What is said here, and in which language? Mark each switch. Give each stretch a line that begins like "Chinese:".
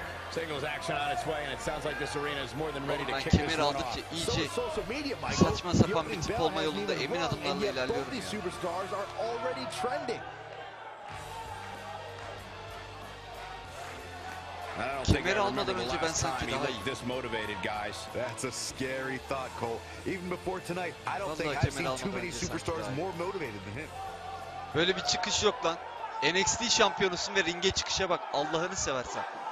English: Singles action on its way and it sounds like this arena is more than ready to kick this one off.
Turkish: İyice saçma sapan bir tip olma yolunda emin adımlarla ilerliyorum ya.
English: Superstars are already trending.
Turkish: Kemeri almadan önce ben sanki daha iyiyim.
English: That's a scary thought, Cole. Even before tonight, I don't think I've seen too many superstars more motivated than him.
Turkish: Böyle bir çıkış yok lan. NXT şampiyonusun ve ringe çıkışa bak Allah'ını seversen.